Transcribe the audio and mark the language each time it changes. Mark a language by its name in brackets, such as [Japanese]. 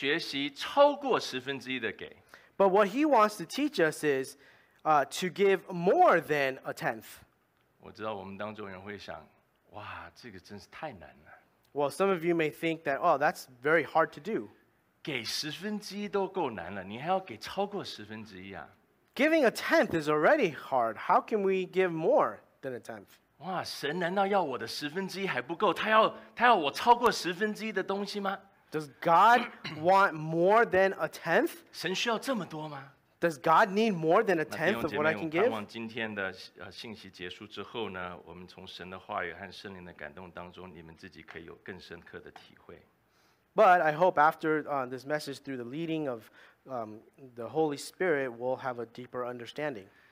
[Chinese] 神的心意不但是他要多给我们，他要我们学习超过十分之一的给。 [English] But what he wants to teach us is to give more than a tenth. [Chinese] 我知道我们当中人会想，哇，这个真是太难了。 [English] Well, some of you may think that, oh, that's very hard to do. [Chinese] 给十分之一都够难了，你还要给超过十分之一啊。 [English] Giving a tenth is already hard. How can we give more than a tenth? [Chinese] 哇，神难道要我的十分之一还不够？他要我超过十分之一的东西吗 [English] ？Does God want more than a tenth？ [Chinese] 神需要这么多吗 [English] ？Does God need more than a tenth of what I can give？ [Chinese] 弟兄姐妹，我盼望今天的信息结束之后呢，我们从神的话语和圣灵的感动当中，你们自己可以有更深刻的体会。 [English] But I hope after this message through the leading of the Holy Spirit, we'll have a deeper understanding.